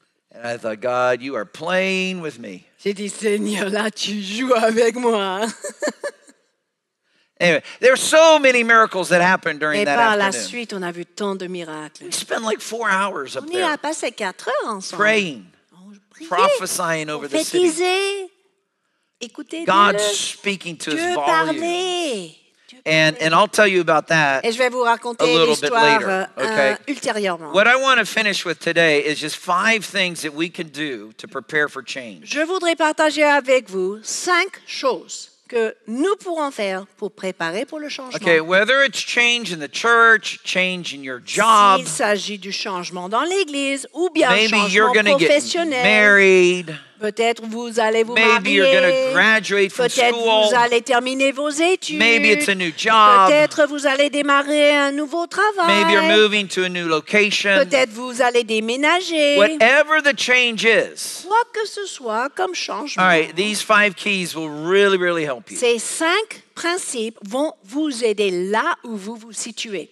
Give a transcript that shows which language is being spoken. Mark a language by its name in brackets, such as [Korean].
[English] And I thought, God, you are playing with me. [French] J'ai dit, Seigneur, là, tu joues avec moi. [English] Anyway, there are so many miracles that happened during [French] et [English] that [French] par [English] afternoon. [French] La suite, on a vu tant de miracles. [English] We spent like 4 hours up on there. [French] On y a passé 4 heures ensemble. [English] Praying. Prophesying over on the city. [French] Écoutez, [English] God [French] Dieu, [English] speaking to [French] Dieu [English] his volume. And I'll tell you about that [French] et je vais vous raconter [English] a little bit later. Okay? [French] Ultérieurement. [English] What I want to finish with today is just 5 things that we can do to prepare for change. [French] Je voudrais partager avec vous 5 choses que nous pourrons faire pour préparer pour le changement. [English] Okay, whether it's change in the church, change in your job. [French] S'il s'agit du changement dans l'église ou bien changement professionnel. Peut-être vous allez vous [English] Maybe [French] marier. [English] You're going to graduate from [French] Peut-être [English] school. [French] Vous allez terminer vos études. [English] Maybe it's a new job. [French] Peut-être vous allez démarrer un nouveau travail. [English] Maybe you're moving to a new location. [French] Peut-être vous allez déménager. [English] Whatever the change is. [French] Quoi que ce soit comme changement. [English] All right, these five keys will really, really help you. [French] Ces cinq principes vont vous aider là où vous vous situez.